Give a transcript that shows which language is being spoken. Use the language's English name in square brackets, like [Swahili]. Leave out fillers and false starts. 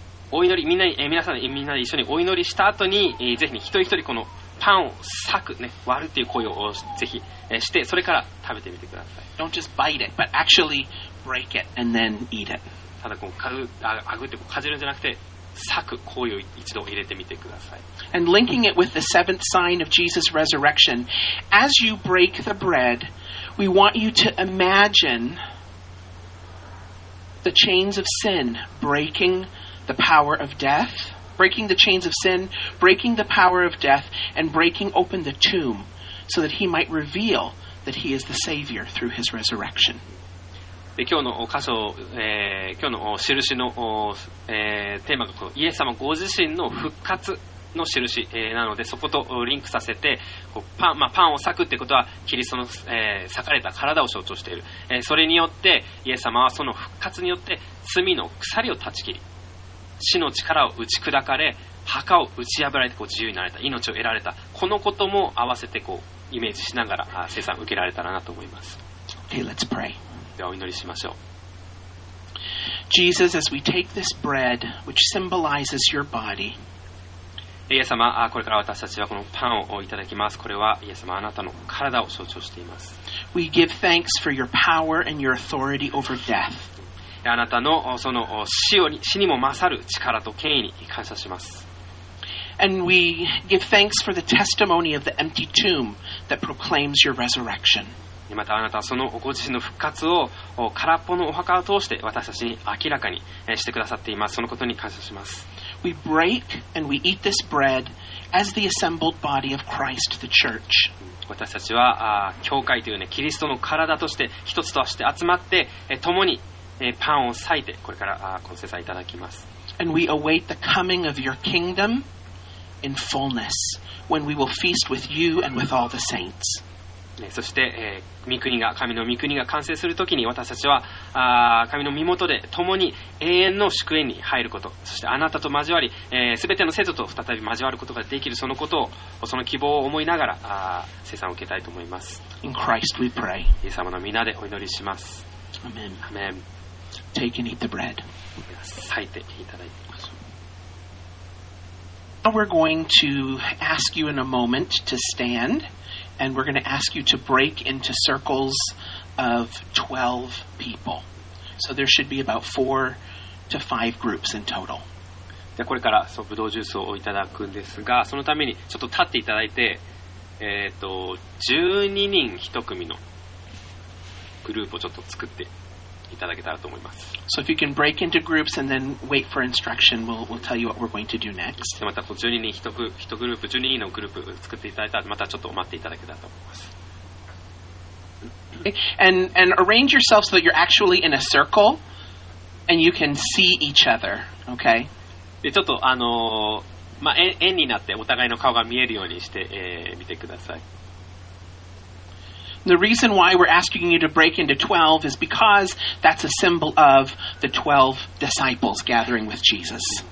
[Japanese] お祈りみんな、皆さん、みんなで一緒にお祈りした後に、ぜひ、ね、一人一人このパンを裂く、ね、割るっていう行為をぜひ、してそれから食べてみてください。 [English] Don't just bite it, but actually break it and then eat it. [Japanese] ただこうかぐってこうかじるんじゃなくて裂く行為を一度入れてみてください。 [English] And linking it with the seventh sign of Jesus' resurrection, as you break the bread, we want you to imagineThe chains of sin breaking the power of death, breaking the chains of sin, breaking the power of death, and breaking open the tomb so that he might reveal that he is the Savior through his resurrection. [Japanese] で、今日の箇所、今日の印の、テーマがこのイエス様ご自身の復活の印、なのでそことリンクさせてこうパン、まあ、パンを裂くってことはキリストの、裂かれた体を象徴している、それによってイエス様はその復活によって罪の鎖を断ち切り死の力を打ち砕かれ墓を打ち破られてこう自由になれた命を得られたこのことも合わせてこうイメージしながら生産を受けられたらなと思います。 [English] Okay, let's pray. [Japanese] ではお祈りしましょう。 [English] Jesus, as we take this bread which symbolizes your body [Japanese] イエス様、これから私たちはこのパンをいただきます。これはイエス様、あなたの体を象徴しています。 [English] We give thanks for your power and your authority over death. [Japanese] あなたのその死にも勝る力と権威に感謝します。 [English] And we give thanks for the testimony of the empty tomb that proclaims your resurrection. [Japanese] またあなたはそのご自身の復活を空っぽのお墓を通して私たちに明らかにしてくださっています。そのことに感謝します。 [English] We break and we eat this bread as the assembled body of Christ, the church. [Japanese] 私たちは教会というね、キリストの体として一つとして集まって共にパンを裂いてこれから献祭いただきます。 [English] And we await the coming of your kingdom. In fullness, when we will feast with you and with all the saints. [Japanese] そして、御国が神の御国が完成するときに私たちは神の御元で共に永遠の祝宴に入ること、そしてあなたと交わり、すべての聖徒と再び交わることができるそのことを、その希望を思いながら聖餐を受けたいと思います。 [English] In Christ we pray. [Japanese] イエス様の皆でお祈りします。 [English] Amen. Amen. Take and eat the bread. [Japanese] 裂いていただいて。 [English] Now we're going to ask you in a moment to stand, and we're going to ask you to break into circles of 12 people. So there should be about 4 to 5 groups in total. [Japanese] じゃあこれからそのブドウジュースをいただくんですが、そのためにちょっと立っていただいて、12人1組のグループをちょっと作っていただけたらと思います。 [English] So if you can break into groups and then wait for instruction, we'll tell you what we're going to do next. [Japanese] またこう12人1グループ、12人のグループ作っていただいたら、またちょっと待っていただけたらと思います。 [English] And arrange yourself so that you're actually in a circle and you can see each other, okay? [Japanese] でちょっと円になってお互いの顔が見えるようにして、見てください。 [English] The reason why we're asking you to break into 12 is because that's a symbol of the 12 disciples gathering with Jesus.